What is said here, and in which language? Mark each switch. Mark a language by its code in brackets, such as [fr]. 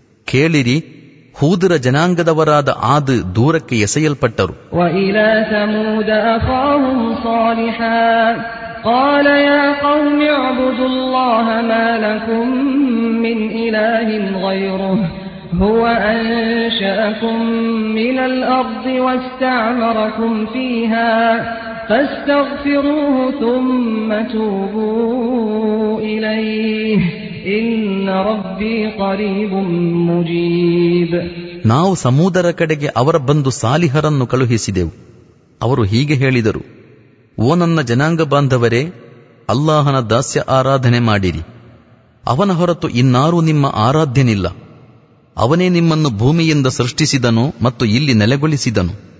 [kn] ಕೇಳಿರಿ, ಹೂದರ ಜನಾಂಗದವರಾದ ಆದ ದೂರಕ್ಕೆ ಎಸೆಯಲ್ಪಟ್ಟರು. [ar] هو أنشأكم من الأرض واستعمركم فيها فاستغفروه ثم توبوا إليه إن ربي قريب مجيب. [kn] ನಾವು ಸಮೂದರ ಕಡೆಗೆ ಅವರ ಬಂದು ಸಾಲಿಹರನ್ನು ಕಳುಹಿಸಿದೆವು. ಅವರು ಹೀಗೆ ಹೇಳಿದರು, ಓ ನನ್ನ ಜನಾಂಗ ಬಾಂಧವರೇ, ಅಲ್ಲಾಹನ ದಾಸ್ಯ ಆರಾಧನೆ ಮಾಡಿರಿ. ಅವನ ಹೊರತು ಇನ್ನಾರೂ ನಿಮ್ಮ ಆರಾಧ್ಯನಿಲ್ಲ. ಅವನೇ ನಿಮ್ಮನ್ನು ಭೂಮಿಯಿಂದ ಸೃಷ್ಟಿಸಿದನು ಮತ್ತು ಇಲ್ಲಿ ನೆಲೆಗೊಳಿಸಿದನು.